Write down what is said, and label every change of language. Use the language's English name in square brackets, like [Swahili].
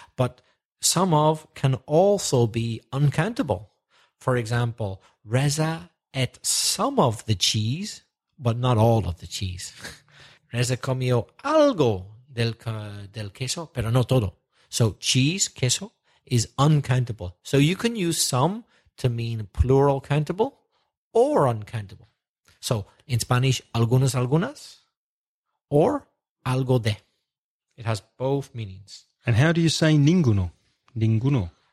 [English] But some of can also be uncountable. For example, Reza ate some of the cheese, but not all of the cheese. [Spanish] Reza comió algo del queso, pero no todo. [English] So cheese, queso, is uncountable. So you can use some to mean plural countable or uncountable. So in Spanish, algunas, algunas, or [Spanish] algo de. [English] It has both meanings. And how do you say ninguno? Ninguno.